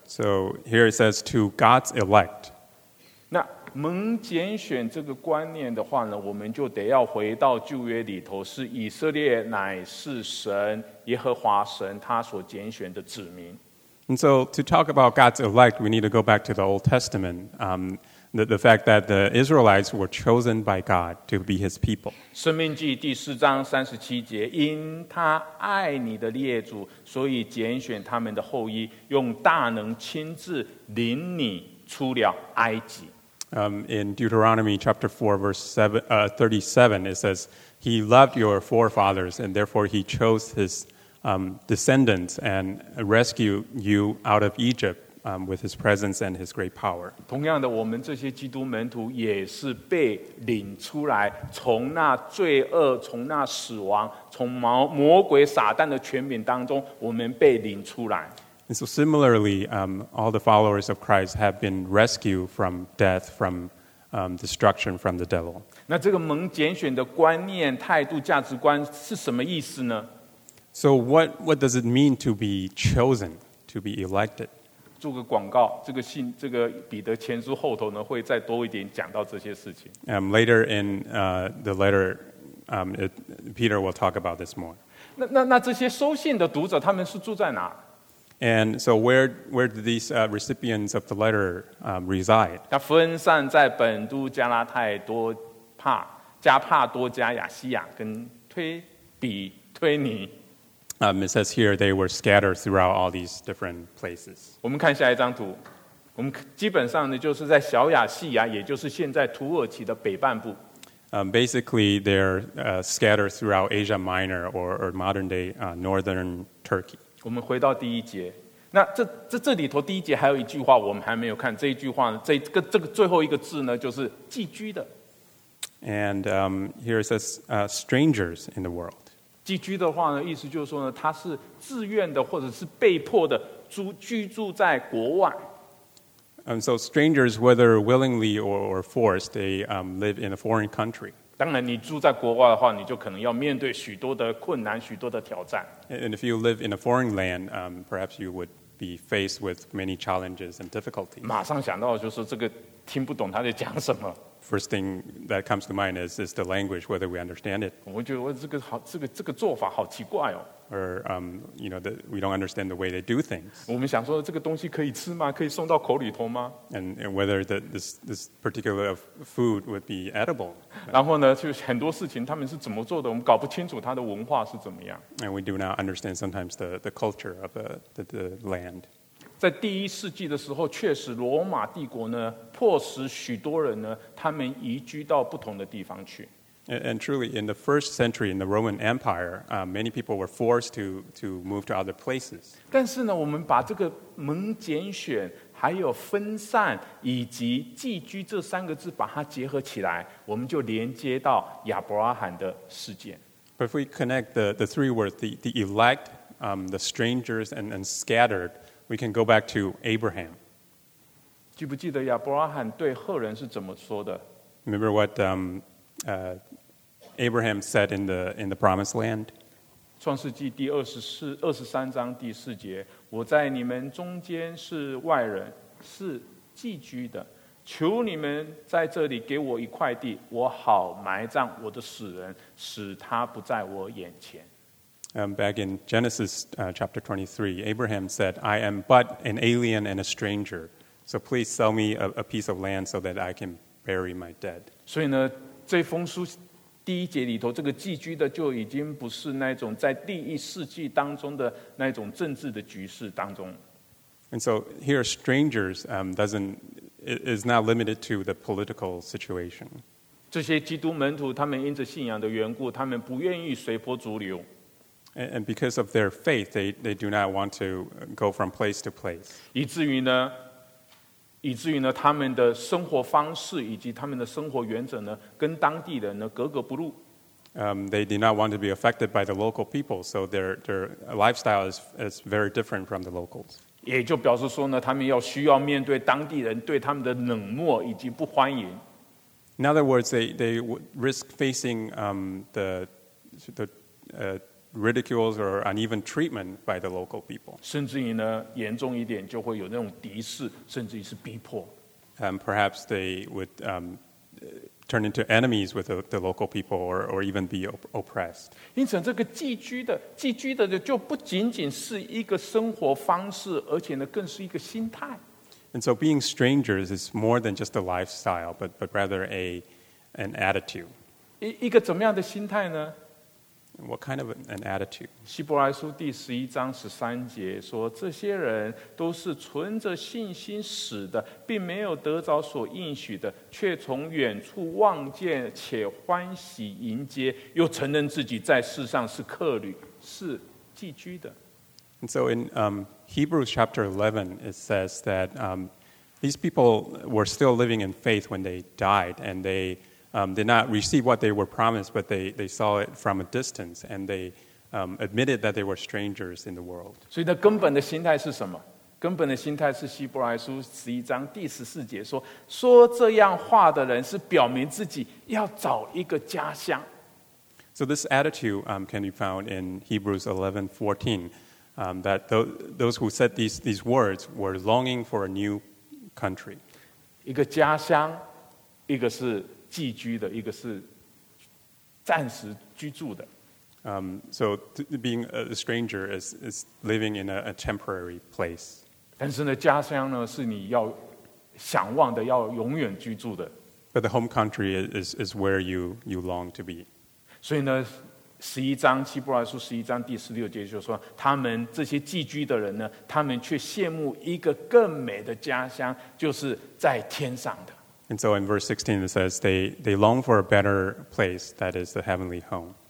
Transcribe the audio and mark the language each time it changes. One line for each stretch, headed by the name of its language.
English: So here it says to God's elect.
Chinese: 那蒙拣选这个观念的话呢，我们就得要回到旧约里头，是以色列乃是神耶和华神他所拣选的子民。
English: And so to talk about God's elect, we need to go back to the Old Testament. The fact that the Israelites were chosen by God to be His people.
Chinese: 申命记第四章三十七节，因他爱你的列祖，所以拣选他们的后裔，用大能亲自领你出了埃及。
English: In Deuteronomy chapter 4, verse 37, it says, He loved your forefathers, and therefore He chose His descendants and rescued you out of Egypt with His presence and His great power.
Chinese: 同样的，我们这些基督门徒也是被领出来，从那罪恶、从那死亡、从魔鬼撒旦的权柄当中，我们被领出来。
English: And so similarly, all the followers of Christ have been rescued from death, from destruction, from the devil.
Chinese: 那这个蒙拣选的观念、态度、价值观是什么意思呢？
English: So what does it mean to be chosen, to be elected?
Chinese: 做个广告，这个信，这个彼得前书后头呢，会再多一点讲到这些事情。
English: Later in the letter, Peter will talk about this more.
Chinese: 那这些收信的读者，他们是住在哪？
English: And so where do these recipients of the letter reside?
Chinese: 它分散在本都、加拉太、多帕、加帕多加、亚西亚跟推比推尼。
English: It says here they were scattered throughout all these different places.
Chinese: 我们看下一张图，我们基本上呢就是在小亚细亚，也就是现在土耳其的北半部。
English: Basically, they're scattered throughout Asia Minor or modern day northern Turkey.
Chinese: 我们回到第一节，那这里头第一节还有一句话我们还没有看，这一句话呢，这个最后一个字呢，就是寄居的。
English: And here it says strangers in the world.
Chinese: 寄居的话呢，意思就是说呢，他是自愿的或者是被迫的居住在国外。
English: And so strangers, whether willingly or forced, they live in a foreign country.
Chinese: 当然，你住在国外的话，你就可能要面对许多的困难、许多的挑战。
English: And if you live in a foreign land, perhaps you would be faced with many challenges and difficulties.
Chinese: 马上想到就是这个听不懂他在讲什么。
English: First thing that comes to mind is the language, whether we understand it.
Chinese: 我觉得这个做法好奇怪哦。
English: Or you know, we don't understand the way they do things.
Chinese: 我们想说这个东西可以吃吗？可以送到口里头吗
English: ？And whether this particular food would be edible.
Chinese: 然后呢，就很多事情他们是怎么做的，我们搞不清楚他的文化是怎么样。
English: And we do not understand sometimes the culture of the land.
Chinese: 在第一世纪的时候，确实罗马帝国呢，迫使许多人呢，他们移居到不同的地方去。
English: And truly, in the first century in the Roman Empire, many people were forced to move to other places.
Chinese: 但是呢，我们把这个蒙拣选还有分散以及寄居这三个字把它结合起来，我们就连接到亚伯拉罕的事件。
English: But if we connect the three words, the elect, the strangers, and scattered, we can go back to Abraham.
Chinese: 记不记得亚伯拉罕对赫人是怎么说的？
English: Remember what Abraham said in the Promised Land?
Chinese: 创世纪第23章第4节，我在你们中间是外人，是寄居的，求你们在这里给我一块地，我好埋葬我的死人，使他不在我眼前。
English: Back in Genesis chapter 23, Abraham said, I am but an alien and a stranger, so please sell me a piece of land so that I can bury my dead.
Chinese: 所以呢，这封书第一节里头，这个寄居的就已经不是那种在第一世纪当中的那种政治的局势当中。
English: And so here, strangers is not limited to the political situation.
Chinese: 这些基督门徒他们因着信仰的缘故，他们不愿意随波逐流。
English: And because of their faith, they do not want to go from place to place.
Chinese: 以至于呢，他们的生活方式以及他们的生活原则呢，跟当地人呢格格不入。
English: They do not want to be affected by the local people, so their lifestyle is very different from the locals.
Chinese: 也就表示说呢，他们要需要面对当地人对他们的冷漠以及不欢迎。
English: In other words, they risk facing ridicules or uneven treatment by the local people.
Chinese: 甚至于呢，严重一点就会有那种敌视，甚至于是逼迫。
English: Perhaps they would turn into enemies with the local people, or even be oppressed.
Chinese: 因此，这个寄居的就不仅仅是一个生活方式，而且呢，更是一个心态。
English: And so, being strangers is more than just a lifestyle, but rather an attitude.
Chinese: 一个怎么样的心态呢？
English: What kind of an attitude?
Chinese: 希伯来书第十一章十三节说，这些人都是存着信心死的，并没有得着所应许的，却从远处望见且欢喜迎接，又承认自己在世上是客旅，是寄居的。
English: And so in Hebrews chapter 11, it says that these people were still living in faith when they died, and they did not receive what they were promised, but they saw it from a distance, and they admitted that they were strangers in the world.
Chinese: 所以呢，根本的心态是什么？根本的心态是希伯来书十一章第十四节说这样话的人是表明自己要找一个家乡。
English: So this attitude can be found in Hebrews 11:14, that those who said these words were longing for a new country.
Chinese: 一个家乡，一个是寄居的，一个是暂时居住的。
English: So being a stranger is living in a temporary place.
Chinese: 但是呢，家乡呢是你要向往的，要永远居住的。
English: But the home country is where you long to be.
Chinese: 所以呢，十一章希伯来书十一章第十六节就说，他们这些寄居的人呢，他们却羡慕一个更美的家乡，就是在天上的。
English: And so in verse 16 it says they long for a better place, that is the heavenly home.